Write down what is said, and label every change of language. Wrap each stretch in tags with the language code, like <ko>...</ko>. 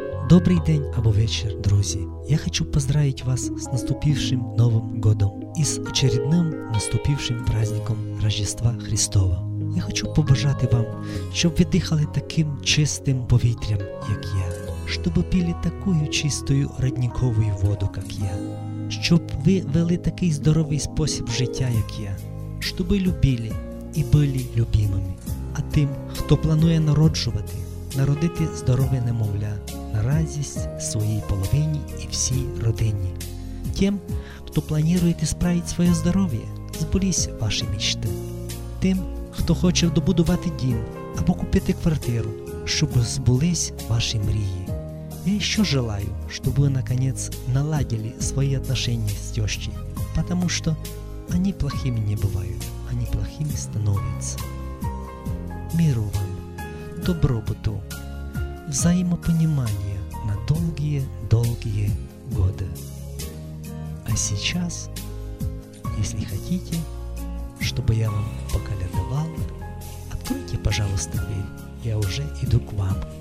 <ru>Добрый день або вечер, друзья! Я хочу поздравить вас с наступившим Новым годом и с очередным наступившим праздником Рождества Христова.</ru> <uk>Я хочу побажати вам, щоб ви дихали таким чистим повітрям, як я, щоб пили такою чистою родниковою воду, як я, щоб ви вели такий здоровий спосіб життя, як я, щоб любили і були любимими. А тим, хто планує народжувати, народити здорове немовля на радість своїй половині і всій родині. Тим, хто планує справити своє здоров'я, збулись ваші мечти. Тим, хто хоче добудувати дім або купити квартиру, щоб збулись ваші мрії. Я ще желаю, щоб ви, наконець, наладили свої отношення з тьощі, тому що ані плохими не бувають, ані плохими становляться. Миру вам!</uk> <ru>Добробуту, взаимопонимание на долгие-долгие годы. А сейчас, если хотите, чтобы я вам поколядовал, откройте, пожалуйста, дверь, я уже иду к вам.</ru>